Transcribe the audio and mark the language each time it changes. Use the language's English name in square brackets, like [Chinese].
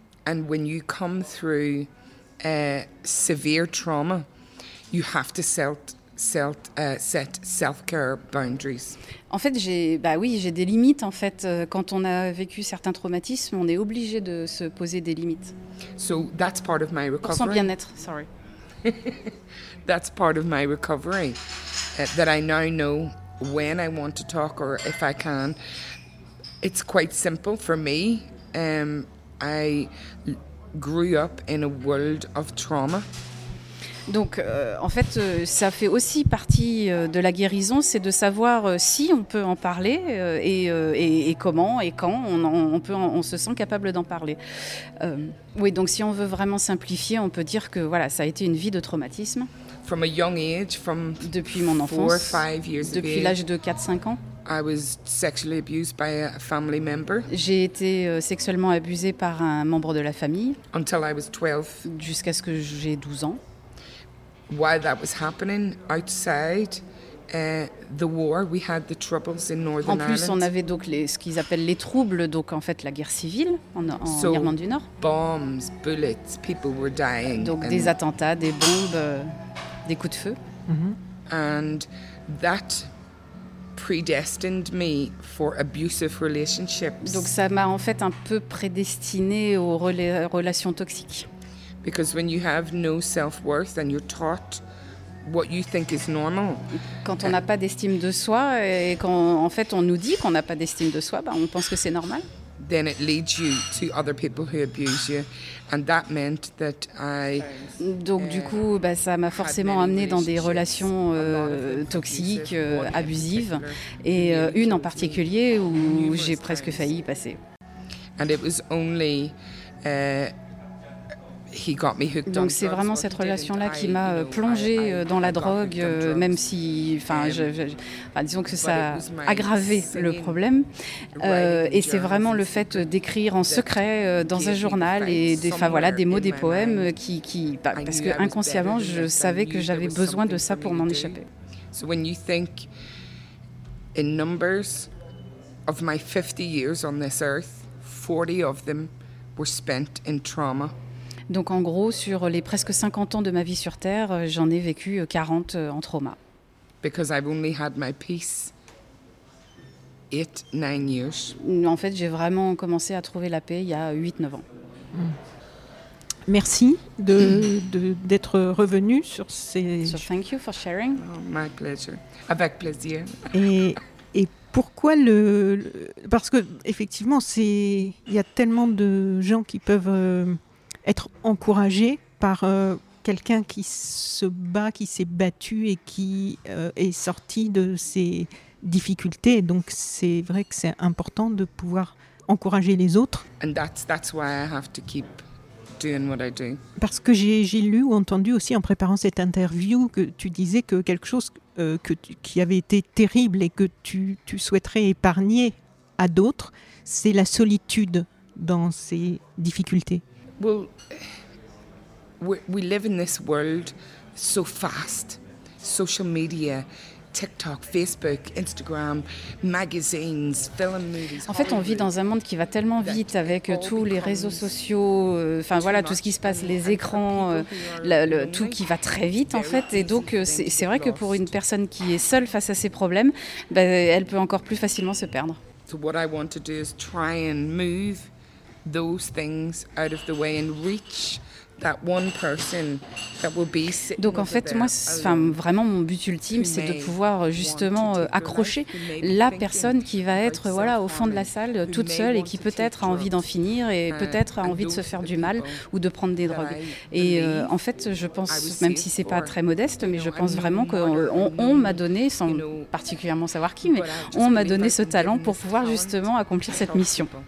[English] And when you come through severe trauma, you have to set self-care boundaries. [French] En fait, j'ai des limites. En fait, quand on a vécu certains traumatismes, on est obligé de se poser des limites. [English] So that's part of my recovery. [French] Pour son bien-être, [English] sorry. That's part of my recovery, that I now know when I want to talk or if I can. It's quite simple for me. I grew up in a world of trauma. [French] Donc, ça fait aussi partie de la guérison, c'est de savoir si on peut en parler et comment et quand on se sent capable d'en parler. Oui, donc si on veut vraiment simplifier, on peut dire que ça a été une vie de traumatisme. [English] From a young age, from [French] depuis mon enfance, [English] four, five years [French] depuis [English] of age. [French] L'âge de 4-5 ans. [English] I was sexually abused by a family member. [French] J'ai été sexuellement abusée par un membre de la famille. [English] Until I was 12. [French] Jusqu'à ce que j'ai 12 ans. [English] While that was happening outside the war, we had the troubles in Northern Ireland. [French] En plus, on avait donc ce qu'ils appellent les troubles, donc en fait la guerre civile en Irlande du Nord. [English] Bombs, bullets, people were dying. [French] Donc des attentats, des bombes, des coups de feu. Mm-hmm. [English] And that predestined me for abusive relationships. [French] Donc ça m'a en fait un peu prédestiné aux relations toxiques. [English] Because when you have no self-worth and you're taught what you think is normal. [French] Quand on n'a pas d'estime de soi et quand en fait on nous dit qu'on n'a pas d'estime de soi, on pense que c'est normal. [English] Then it leads you to other people who abuse you, and that meant that I. [French] Donc du coup, ça m'a forcément amené dans des relations toxiques, abusives, et une en particulier où j'ai presque failli y passer. [English] And it was only he got me hooked. [French] Donc c'est vraiment cette relation-là qui m'a plongé dans la drogue, même si, disons que ça a aggravé le problème. Et c'est vraiment le fait d'écrire en secret dans un journal et des mots, des poèmes qui parce que inconsciemment, je savais que j'avais besoin de ça pour m'en échapper. [English] So when you think in numbers of my 50 years on this earth, 40 of them were spent in trauma. [French] Donc en gros, sur les presque 50 ans de ma vie sur Terre, j'en ai vécu 40 en trauma. [English] Because I've only had my peace 8-9 years. [French] En fait, j'ai vraiment commencé à trouver la paix il y a 8-9 ans. Mm. Merci d'être revenu sur ces... [English] So thank you for sharing. Oh, my pleasure. [French] Avec plaisir. Et pourquoi le... Parce qu'effectivement, il y a tellement de gens qui peuvent être encouragés par quelqu'un qui se bat, qui s'est battu et qui est sorti de ses difficultés. Donc c'est vrai que c'est important de pouvoir encourager les autres. [English] And that's why I have to keep... Doing what I do. [French] Parce que j'ai lu ou entendu aussi en préparant cette interview que tu disais que quelque chose qui avait été terrible et que tu souhaiterais épargner à d'autres, c'est la solitude dans ces difficultés. [English] Well, we live in this world so fast. Social media, TikTok, Facebook, Instagram, magazines, film, movies. [French] En fait, on vit dans un monde qui va tellement vite avec tous les réseaux sociaux, enfin voilà, tout ce qui se passe, les écrans, tout qui va très vite en fait. Et donc, c'est vrai que pour une personne qui est seule face à ses problèmes, bah, elle peut encore plus facilement se perdre. [English] So what I want to do is try and move those things out of the way and reach. That one person that will be sitting. [French] Donc en fait, moi, enfin vraiment, mon but ultime, c'est de pouvoir justement accrocher la personne qui va être, voilà, au fond de la salle, toute seule, et qui peut-être a envie d'en finir et peut-être a envie de se faire du mal ou de prendre des drogues. Et en fait, je pense, même si c'est pas très modeste, mais je pense vraiment qu'on m'a donné, sans particulièrement savoir qui, mais on m'a donné ce talent pour pouvoir justement accomplir cette mission.